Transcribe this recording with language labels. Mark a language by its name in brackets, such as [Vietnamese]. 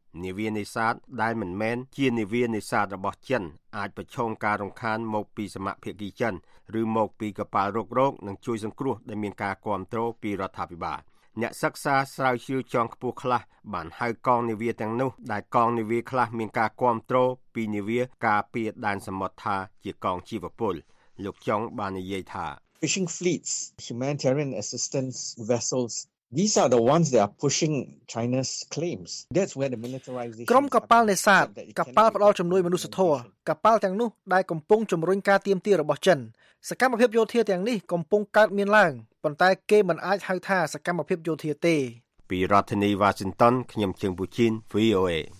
[Khmer] នាវានេសាទដែលមិនមែនជានាវានេសាទរបស់ចិនអាចប្រឈមការរំខានមកពីសមាគមចិនឬមកពីកប៉ាល់រុករកនិងជួយសង្គ្រោះដែលមានការគ្រប់គ្រងពីរដ្ឋាភិបាលអ្នកសិក្សាស្រាវជ្រាវចងខ្ពស់ខ្លះបានហៅកងនាវាទាំងនោះដែលកងនាវាខ្លះមានការគ្រប់គ្រងពីនាវាការពារដែនសមុទ្រថាជាកងជីវពលលោកចុងបាននិយាយថា [English] Fishing fleets humanitarian assistance vessels These are the ones that are pushing China's claims. That's where the militarization [Khmer] ក្រុមកប៉ាល់នេសាទកប៉ាល់ផ្ដល់ជំនួយមនុស្សធម៌កប៉ាល់ទាំងនោះដែលកំពុងជំរុញការទាមទាររបស់ចិនសកម្មភាពយោធាទាំងនេះកំពុងកើតមានឡើងប៉ុន្តែគេមិនអាចហៅថាសកម្មភាពយោធាទេ ពីរដ្ឋធានី Washington ខ្ញុំជើងពូជីន VOA